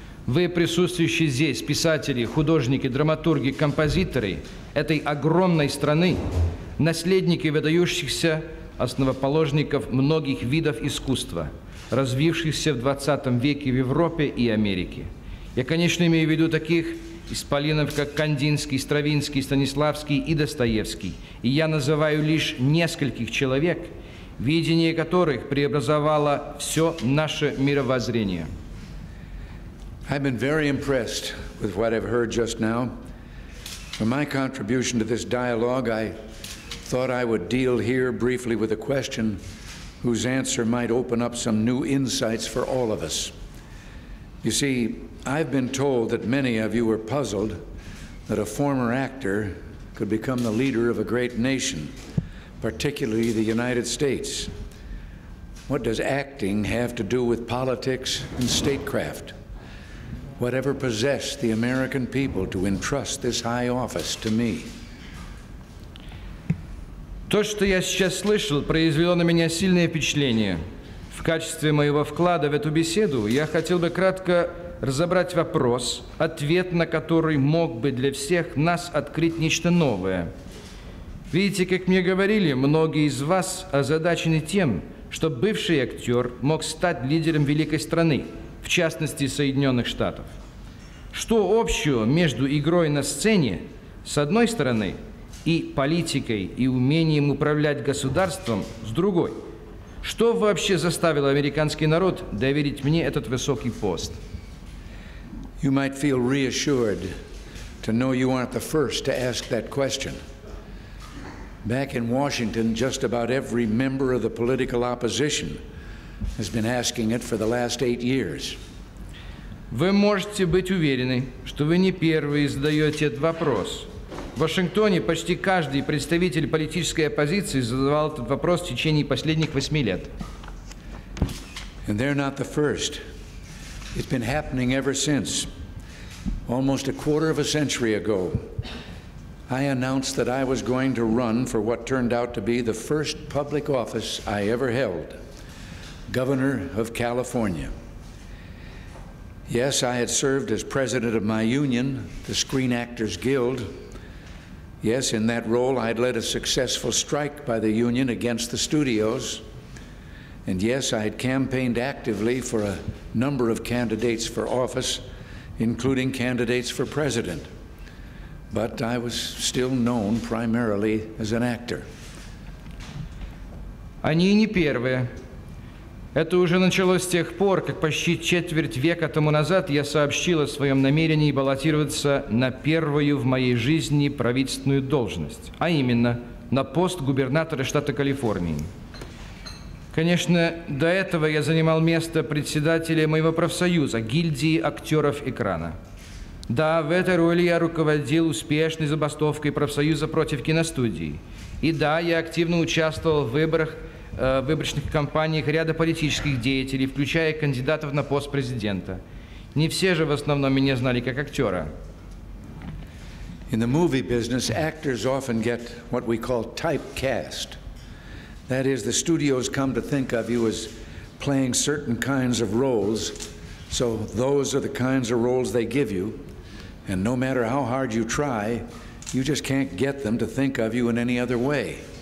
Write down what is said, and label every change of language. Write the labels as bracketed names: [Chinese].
[Russian] Вы, присутствующие здесь, писатели, художники, драматурги, композиторы этой огромной страны, наследники выдающихся основоположников многих видов искусства, развившихся в 20 веке в Европе и Америке. Я, конечно, имею в виду таких исполинов, как Кандинский, Стравинский, Станиславский и Достоевский. И я называю лишь нескольких человек, видение которых преобразовало все наше мировоззрение. [English] I've been very impressed with what I've heard just now. For my contribution to this dialogue, I thought I would deal here briefly with a question whose answer might open up some new insights for all of us. You see, I've been told that many of you were puzzled that a former actor could become the leader of a great nation, particularly the United States. What does acting have to do with politics and statecraft? Whatever possessed the American people to entrust this high office to me? [Russian] То, что я сейчас слышал, произвело на меня сильное впечатление. В качестве моего вклада в эту беседу я хотел бы кратко разобрать вопрос, ответ на который мог бы для всех нас открыть нечто новое. Видите, как мне говорили, многие из вас озадачены тем, что бывший актер мог стать лидером великой страны, в частности Соединенных Штатов. Что общего между игрой на сцене, с одной стороны, и политикой, и умением управлять государством, с другой? Что вообще заставило американский народ доверить мне этот высокий пост? [English] You might feel reassured to know you aren't the first to ask that question. Back in Washington, just about every member of the political opposition has been asking it for the last 8 years. [Russian] Вы можете быть уверены, что вы не первые задаете этот вопрос. В Вашингтоне почти каждый представитель политической оппозиции задавал этот вопрос в течение последних 8 лет. [English] And they're not the first. It's been happening ever since. Almost a quarter of a century ago, I announced that I was going to run for what turned out to be the first public office I ever held, governor of California. Yes, I had served as president of my union, the Screen Actors Guild. Yes, in that role, I'd led a successful strike by the union against the studios. And yes, I had campaigned actively for a number of candidates for office, including candidates for president. But I was still known primarily as an actor. [Russian] Они не первые. Это уже началось с тех пор, как почти четверть века тому назад я сообщил о своем намерении баллотироваться на первую в моей жизни правительственную должность, а именно на пост губернатора штата Калифорнии. Конечно, до этого я занимал место председателя моего профсоюза, гильдии актеров экрана. Да, в этой роли я руководил успешной забастовкой профсоюза против киностудии. И да, я активно участвовал в выборочных кампаниях ряда политических деятелей, включая кандидатов на пост президента. Не все же в основном меня знали как актера. [English] In the movie business, actors often get what we call typecast. That is, the studios come to think of you as playing certain kinds of roles, so those are the kinds of roles they give you, and no matter how hard you try, you just can't get them to think of you in any other way.